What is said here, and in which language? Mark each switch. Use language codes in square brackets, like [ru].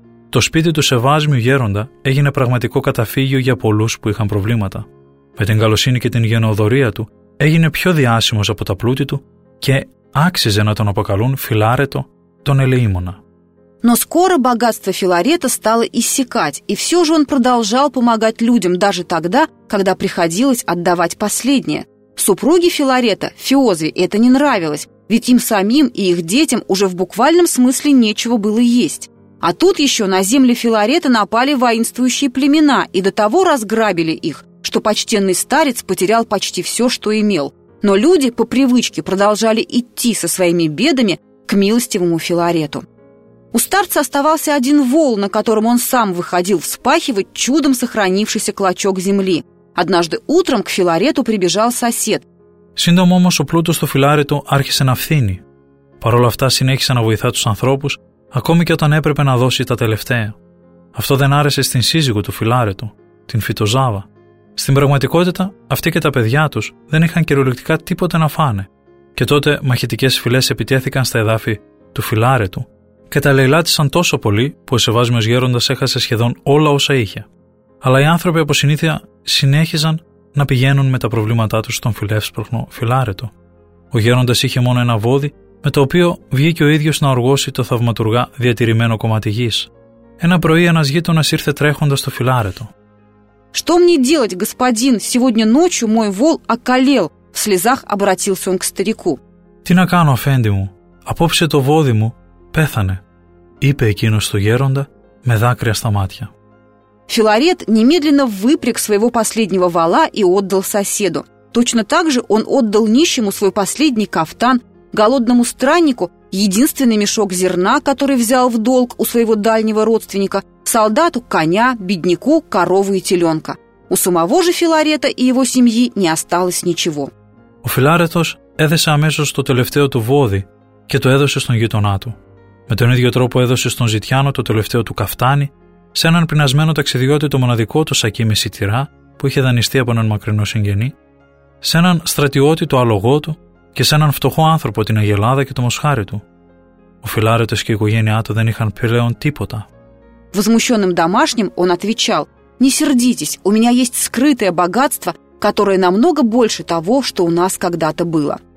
[el] Το σπίτι του Σεβάσμιου Γέροντα έγινε πραγματικό καταφύγιο για πολλούς που είχαν προβλήματα. Με την καλοσύνη και την γενναιοδορία του, έγινε πιο διάσημος από τα πλούτη του και άξιζε να τον αποκαλούν Φιλάρετο τον Ελεήμονα. [ru] Но скоро богатство Филарета стало иссякать, и все же он продолжал помогать людям даже тогда, когда приходилось отдавать последнее. Супруге Филарета, Фиозве, это не нравилось, ведь им самим и их детям уже в буквальном смысле нечего было есть. А тут еще на земли Филарета напали воинствующие племена и до того разграбили их, что почтенный старец потерял почти все, что имел. Но люди по привычке продолжали идти со своими бедами к милостивому Филарету. У старца оставался один вол, на котором он сам выходил вспахивать чудом сохранившийся клочок земли. Однажды утром к Филарету прибежал сосед. [el] Σύντομα όμως ο πλούτος του Φιλάρετου άρχισε να φθήνει. Παρ' όλα αυτά συνέχισε να βοηθά τους ανθρώπους, ακόμη και όταν έπρεπε να δώσει τα τελευταία. Αυτό δεν άρεσε στην σύζυγο του Φιλάρετου, την Φυτοζάβα. Στην πραγματικότητα, αυτοί και τα παιδιά τους δεν είχαν κυριολεκτικά τίποτε να φάνε. Και τότε μαχητικές φυλές επιτέθηκαν στα εδάφη του Φιλάρετου και τα λαιλάτισαν τόσο πολύ που ο Σεβάσμιος Γέροντας έχασε σχεδόν όλα όσα είχε. Αλλά οι άνθρωποι από συνήθεια συνέχιζαν να πηγαίνουν με τα προβλήματά τους στον φιλεύσπροχνο Φιλάρετο. Ο Γέροντας είχε μόνο ένα βόδι με το οποίο βγήκε ο ίδιος να οργώσει το θαυματουργά διατηρημένο κομμάτι γης. Ένα πρωί ένας γείτονας ήρθε τρέχοντας στο Φιλάρετο. [ru] «Что мне делать, господин? Сегодня ночью мой вол околел», в слезах обратился он к старику. [el] «Τι να κάνω, αφέντη μου? Απόψε το βόδι μου πέθανε», είπε εκείνος στο Γέροντα με δάκρυα στα μάτια. [ru] Филарет немедленно выпряг своего последнего вола и отдал соседу. Точно так же он отдал нищему свой последний кафтан, голодному страннику единственный мешок зерна, который взял в долг у своего дальнего родственника, солдату коня, бедняку корову и теленка. У самого же Филарета и его семьи не осталось ничего. [el] Ο Φιλάρετος έδεσε αμέσως το τελευταίο του βόδι και το έδωσε στον γειτονά του. Με τον ίδιο τρόπο έδωσε στον ζητιάνο το τελευταίο του καφτάνι, σε έναν πεινασμένο ταξιδιώτη το μοναδικό του σακί με σιτηρά που είχε δανειστεί από έναν μακρινό συγγενή, σε έναν στρατιώτη το άλογό του και σε έναν φτωχό άνθρωπο την αγελάδα και το μοσχάρι του. Ο Φιλάρετος και η οικογένειά του δεν είχαν πλέον τίποτα. [ru] Возмущенным домашним он отвечал: «Не сердитесь, у меня есть скрытое богатство, которое намного больше того, что у нас когда-то было».